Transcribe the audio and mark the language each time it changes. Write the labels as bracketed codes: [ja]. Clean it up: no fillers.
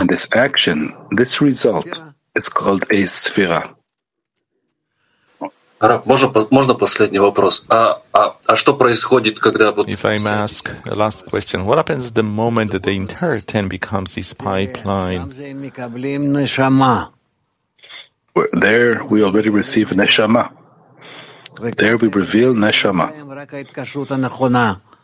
[en] And this action, this result, is called a sfira. [ru] Раб, можно последний вопрос? А что происходит, когда вот? [en] If I may ask a last question, what happens the moment that the entire ten becomes this pipeline? There we already receive neshama. There we reveal neshama.